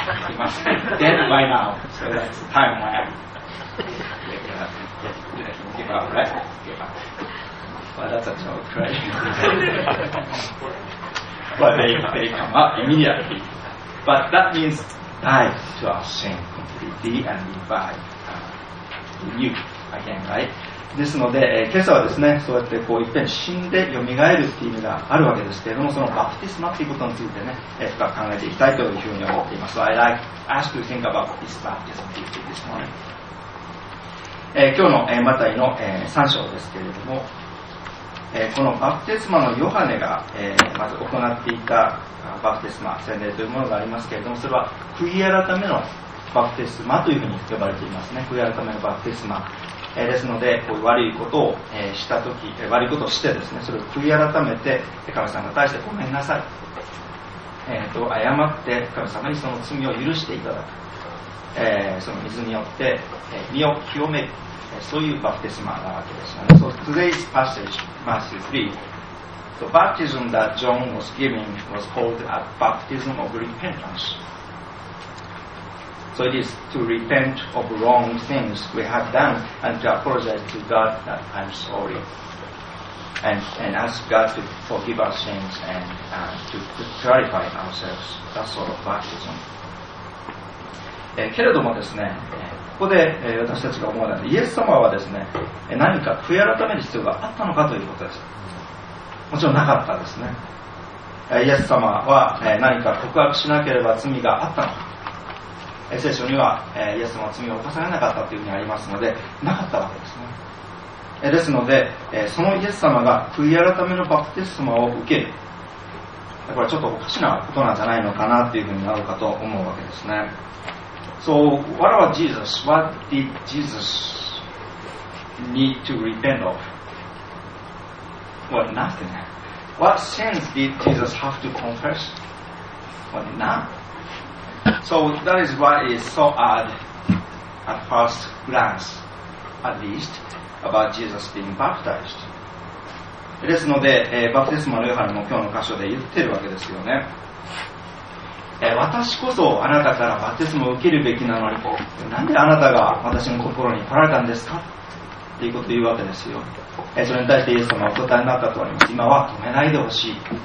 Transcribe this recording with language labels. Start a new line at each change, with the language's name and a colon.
English: He must be dead by now. So that's the time when I give up, right? Well, that's a joke, right? But they come up immediately. But that means die to our sin completely and revive you again, right?
Japanese: ですので、今朝はですね、そうやってこう一遍死んで蘇るっていう意味があるわけですけれども、そのバプティスマっていうことについてね、深く考えていきたいというふうに思っています。
English: So、I like ask to think about this baptism this morning.
Japanese: 今日の、マタイの、3章ですけれども、このバプテスマのヨハネが、まず行っていたバプテスマ、洗礼というものがありますけれども、それは悔い改めのバプテスマというふうに呼ばれていますね。悔い改めのバプテスマ。ですので、こう悪いことをしたとき、悪いことをしてですね、それを悔い改めて、神様に対してごめんなさい。謝って、神様にその罪を許していただく。その水によって、身を清める。そういうバプテスマなわけですよね。
English: So today's passage, Matthew 3. The baptism that John was giving was called a baptism of repentance. So it is to repent of wrong things we have done and to apologize to God that I'm sorry. And ask God to forgive our sins and to clarify ourselves. That sort of baptism.
Japanese: けれどもですね、ここで私たちが思うのは、イエス様はですね、何か悔い改める必要があったのかということです。もちろんなかったですね。イエス様は何か告白しなければ罪があったのか。聖書には、イエス様は罪を犯されなかったというふうにありますので、なかったわけですね。ですので、そのイエス様が悔い改めのバプテスマを受ける。これはちょっとおかしなことなんじゃないのかなというふうになるかと思うわけですね。
English: So, what about Jesus? What did Jesus need to repent of? Well, nothing. What sins did Jesus have to confess? Well, none. So, that is what is so odd at first glance, at least, about Jesus being baptized.
Japanese: ですので、バプテスマのヨハネも今日の箇所で言ってるわけですよね。私こそあなたからバプテスマを受けるべきなのに、なんであなたが私の心に来られたんですかっていうことを言うわけですよ。それに対してイエス様お答えになったとあります。今は止めないでほしい。